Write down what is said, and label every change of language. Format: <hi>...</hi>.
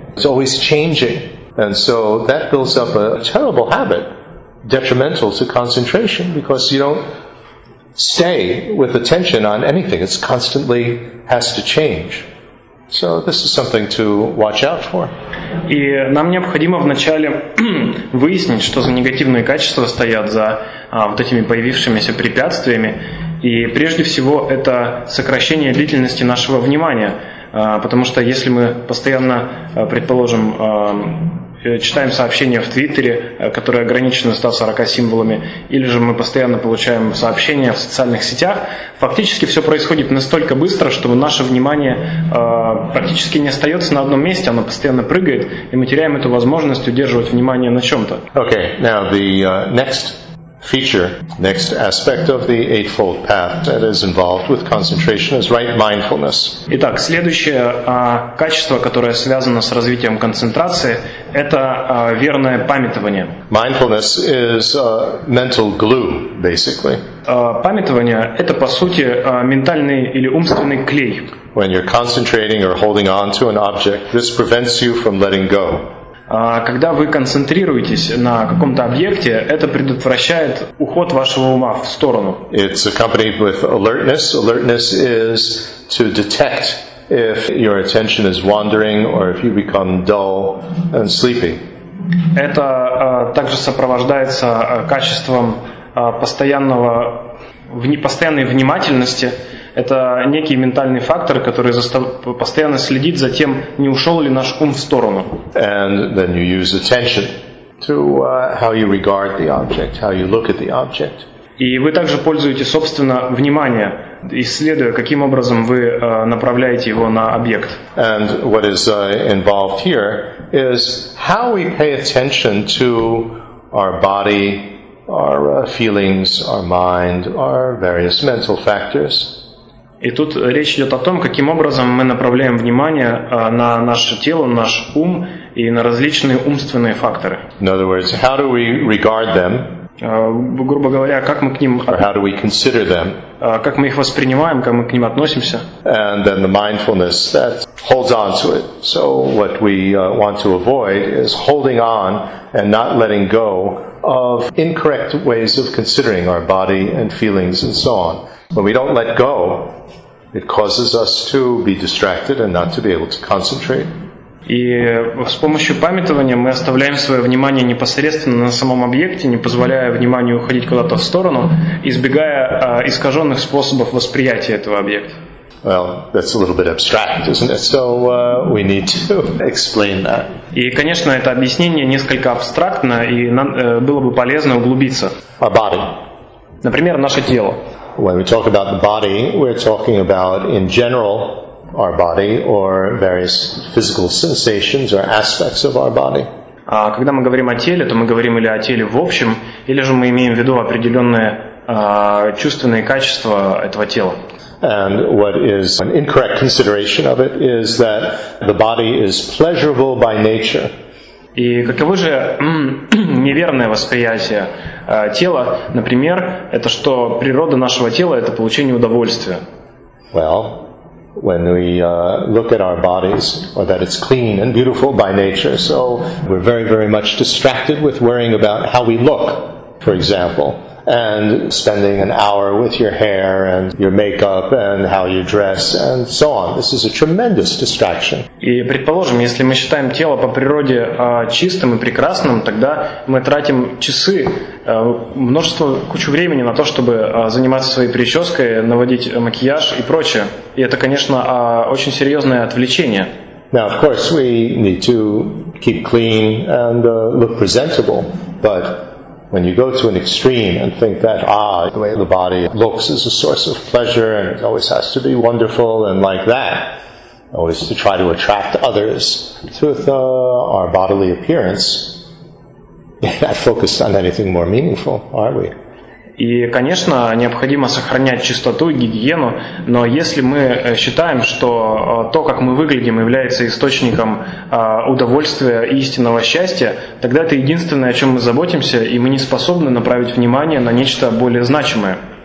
<en>It's always changing. And so that builds up a terrible habit, detrimental to concentration, because you don't stay with attention on anything. It constantly has to change. So this is something to watch out for.</en> <ru>И нам необходимо вначале выяснить, что за негативные качества стоят за вот этими появившимися препятствиями. И прежде всего это сокращение длительности нашего внимания. Потому что если мы постоянно, предположим, читаем сообщения в Твиттере, которые ограничены 140 символами, или же мы постоянно получаем сообщения в социальных сетях, фактически все происходит настолько быстро, что наше внимание практически не остается на одном месте, оно постоянно прыгает, и мы теряем эту возможность удерживать внимание на чем-то.</ru> <en>Okay, now the next feature, next aspect of the Eightfold Path that is involved with concentration is right mindfulness.</en> <ru>Итак, следующее качество, которое связано с развитием концентрации, это верное памятование.</ru> <en>Mindfulness is mental glue, basically.</en> <ru>Памятование – это, по сути, ментальный или умственный клей.</ru> <en>When you're concentrating or holding on to an object, this prevents you from letting go.</en> <ru>Когда вы концентрируетесь на каком-то объекте, это предотвращает уход вашего ума в сторону.</ru> <en>It's accompanied with alertness. Alertness is to detect if your attention is wandering or if you become dull and sleepy.</en> <ru>Это также сопровождается качеством постоянной внимательности. Это некий ментальный фактор, который постоянно следит за тем, не ушел ли наш ум в сторону.</ru> <en>And then you use attention to how you regard the object, how you look at the object.</en> <ru>И вы также пользуетесь, собственно, внимание, исследуя, каким образом вы направляете его на объект.</ru> <en>And what is involved here is how we pay attention to our body, our feelings, our mind, our various mental factors.</en> <ru>И тут речь идет о том, каким образом мы направляем внимание на наше тело, наш ум и на различные умственные факторы.</ru> <en>In other words, how do we regard them?</en> <ru>Грубо говоря, как мы к ним</ru> <en>Or how do we consider them?</en> <ru>Как мы их воспринимаем, как мы к ним относимся?</ru> <en>And then the mindfulness that holds on to it. So what we want to avoid is holding on and not letting go of incorrect ways of considering our body and feelings and so on. When we don't let go, it causes us to be distracted and not to be able to concentrate.</en> <ru>И с помощью памятования мы оставляем свое внимание непосредственно на самом объекте, не позволяя вниманию уходить куда-то в сторону, избегая искаженных способов восприятия этого объекта.</ru> <en>Well, that's a little bit abstract, isn't it? So we need to explain that.</en> <ru>И, конечно, это объяснение несколько абстрактно, и нам было бы полезно углубиться.</ru> <en>Our body.</en> <ru>Например, наше тело.</ru> <en>When we talk about the body, we're talking about, in general, our body or various physical sensations or aspects of our body.</en> <ru>А когда мы говорим о теле, то мы говорим или о теле в общем, или же мы имеем в виду определенные чувственные качества этого тела.</ru> <en>And what is an incorrect consideration of it is that the body is pleasurable by nature.</en> <ru>И каково же неверное восприятие тела, например, это что природа нашего тела это получение удовольствия.</ru> <en>Well, when we look at our bodies, or that it's clean and beautiful by nature, so we're very, very much distracted with worrying about how we look, for example. And spending an hour with your hair and your makeup and how you dress and so on. This is a tremendous distraction.</en> <ru>И предположим, если мы считаем тело по природе чистым и прекрасным, тогда мы тратим часы, множество, кучу времени на то, чтобы заниматься своей прической, наводить макияж и прочее. И это, конечно, очень серьезное отвлечение.</ru> <en>Now, of course, we need to keep clean and look presentable, but when you go to an extreme and think that, the way the body looks is a source of pleasure and it always has to be wonderful and like that, always to try to attract others with our bodily appearance, we're not focused on anything more meaningful, are we?</en> <ru>И, конечно, необходимо сохранять чистоту и гигиену, но если мы считаем, что то, как мы выглядим, является источником удовольствия и истинного счастья, тогда это единственное, о чем мы заботимся, и мы не способны направить внимание на нечто более значимое.</ru>